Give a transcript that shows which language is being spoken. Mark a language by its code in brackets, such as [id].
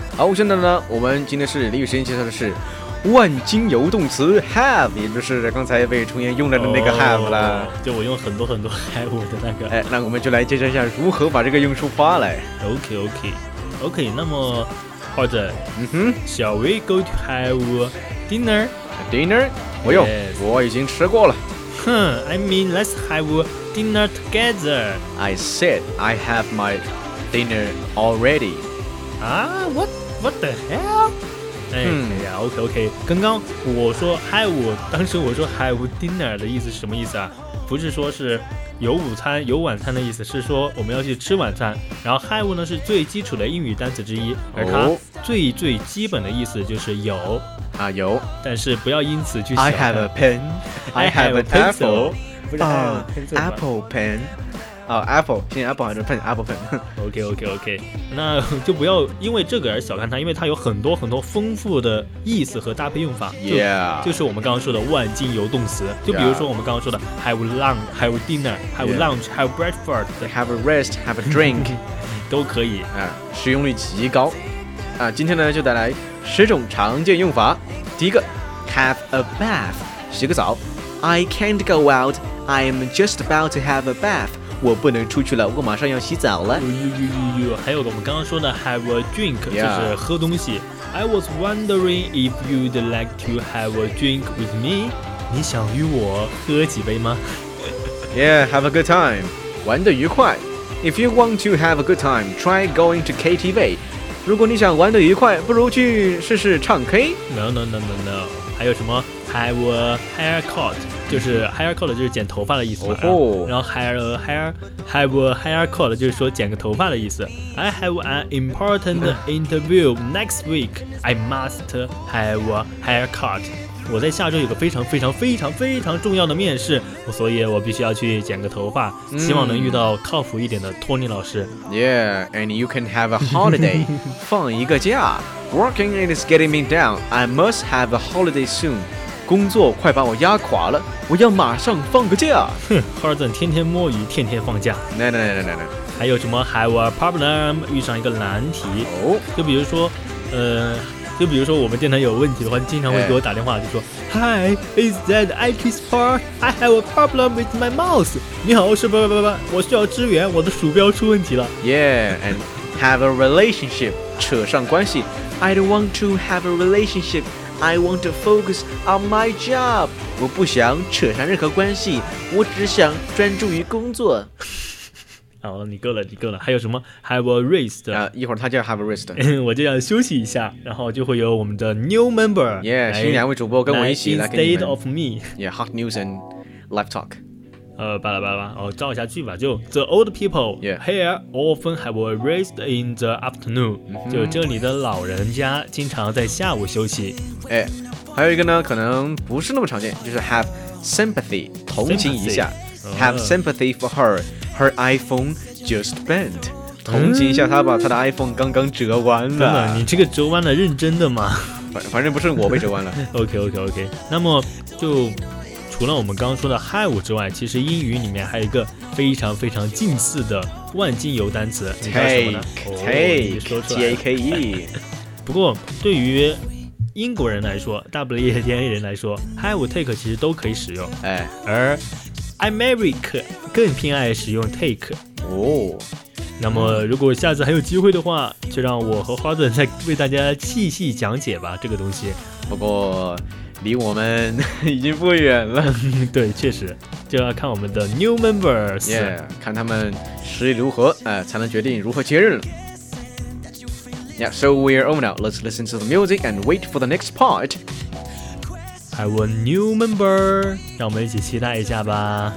[zh] 好，现在呢，我们今天是俚语时间，介绍的是万金油动词 have， 也就是刚才被重言用了的那个 have 啦。就我用很多很多 have 的那个。哎，那我们就来介绍一下如何把这个用出发来。 OK OK OK。 那么，或者，嗯哼 [en] ，Shall we go to have dinner? [zh] Dinner? 我用， [en] yes. [zh] 我已经吃过了。 [en] I mean, let's have dinner together. I said I have my dinner already. Ah, what the hell? 哎呀 ，OK OK. [zh] 刚刚我说 have， 当时我说 [en] have dinner [zh] 的意思是什么意思啊？不是说是有午餐有晚餐的意思，是说我们要去吃晚餐。然后 have 呢是最基础的英语单词之一，而它最最基本的意思就是有。啊有，但是不要因此去。 [en] I have a pen, I have a pencil. [zh] 不是 [en] Apple Pen 哦 Apple 现在 Apple 还是 Pen Apple Pen [zh] OK OK OK 那就不要因为这个而小看它因为它有很多很多丰富的意思和搭配用法 就是我们刚刚说的万金油动词就比如说我们刚刚说的 [en] Have lunch Have dinner Have lunch Have breakfast Have a rest Have a drink [zh] 都可以、啊、使用率极高啊，今天呢就带来十种常见用法。第一个 ， [en] have a bath， [zh] 洗个澡。 [en] I can't go out. I am just about to have a bath. [zh] 我不能出去了，我马上要洗澡了。有，还有我们刚刚说的 [en] have a drink， [zh] 就是喝东西。 [en] Yeah. I was wondering if you'd like to have a drink with me. [zh] 你想与我喝几杯吗 [en] ？Yeah, have a good time. [zh] 玩得愉快。 [en] If you want to have a good time, try going to KTV. [zh] 如果你想玩得愉快，不如去试试唱 K。 [en] No. [zh] 还有什么 ？ [en] Have a haircut， [zh] 就是 haircut 就是剪头发的意思。哦、oh.。然后 [en] have a haircut [zh] 就是说剪个头发的意思。 [en] I have an important interview next week. I must have a haircut. [zh] 我在下周有个非常非常非常非常重要的面试，所以我必须要去剪个头发。希望能遇到靠谱一点的托尼老师。 [en] Yeah, and you can have a holiday. [zh] 放一个假。 [en] Working is getting me down. I must have a holiday soon. [zh] 工作快把我压垮了，我要马上放个假。哼 ，Horton 天天摸鱼，天天放假。 [en] No. [zh] 还有什么 ？ [en] Have a problem， [zh] 遇上一个难题。哦、oh.。就比如说，就比如说我们电台有问题的话，经常会给我打电话，就说、哎、 [en] Hi, is that IT Spark? I have a problem with my mouse. [zh] 你好，是吧吧吧吧，我需要支援，我的鼠标出问题了。 [en] Yeah, and have a relationship. [zh] 扯上关系。 [en] I don't want to have a relationship. I want to focus on my job. [zh] 我不想扯上任何关系，我只想专注于工作。好了，你够了，你够了。还有什么 ？ [en] Have a rest、啊。 [zh] 一会儿他就要 [en] have a rest， [zh] 我就要休息一下，然后就会有我们的 [en] new member， [zh] yeah, 新两位主播跟我一起来给你们。 [en] State of me， yeah， hot news and live talk。 [zh] 巴拉巴拉，哦，照一下剧吧。 [en] 就 the old people、 yeah. here often have a rest in the afternoon，、 mm-hmm. [zh] 就这里的老人家经常在下午休息。哎，还有一个呢，可能不是那么常见，就是 [en] have sympathy， [zh] 同情一下。 [en] Have sympathy for her. Her iPhone just bent. [zh] 同情一下她吧，她的 iPhone 刚刚折弯了。真的，你这个折弯了，认真的吗？反正不是我被折弯了。 OK. 那么就除了我们刚刚说的 have 之外，其实英语里面还有一个非常非常近似的万金油单词，你知道什么呢 [en] ？Take. T A K E. [zh] 不过对于英国人来说，大不列颠人来说 ，have take 其实都可以使用。哎，而America 更偏爱使用 take 哦。那么如果下次还有机会的话，就让我和花子再为大家细细讲解吧这个东西。不过离我们已经不远了。对，确实就要看我们的 [en] new members， [zh] yeah, 看他们实力如何、才能决定如何接任。 [en] Yeah, so we are over now. Let's listen to the music and wait for the next part. Have a new member， [zh] 让我们一起期待一下吧。